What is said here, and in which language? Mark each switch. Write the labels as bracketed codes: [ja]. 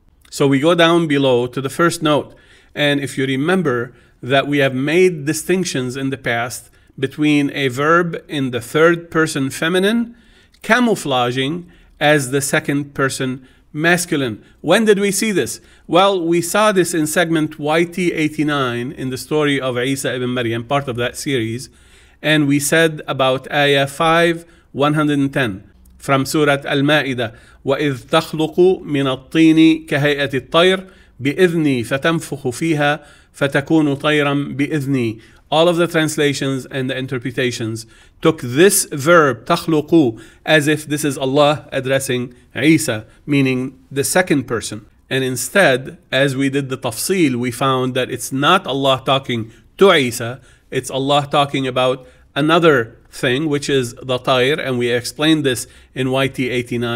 [en] So we go down below to the first note. And if you remember that we have made distinctions in the past between a verb in the third person feminine camouflaging as the second person masculine. When did we see this? Well, we saw this in segment YT89 in the story of Isa ibn Maryam, part of that series. [ar] And we said about Ayah 5:110 from Surah Al-Ma'idah, وَإِذْ تَخْلُقُ مِنَ الطِّينِ كَهَيْئَةِ الطَّيْرِ بِإِذْنِي فَتَنْفُخُ فِيهَا فَتَكُونُ طَيْرًا بِإِذْنِي. [en] All of the translations and the interpretations took this verb, تَخْلُقُ, as if this is Allah addressing Isa, meaning the second person. And instead, as we did the tafsil, we found that it's not Allah talking to Isa, it's Allah talking about another thing, which is the tayr, and we explained this in YT89.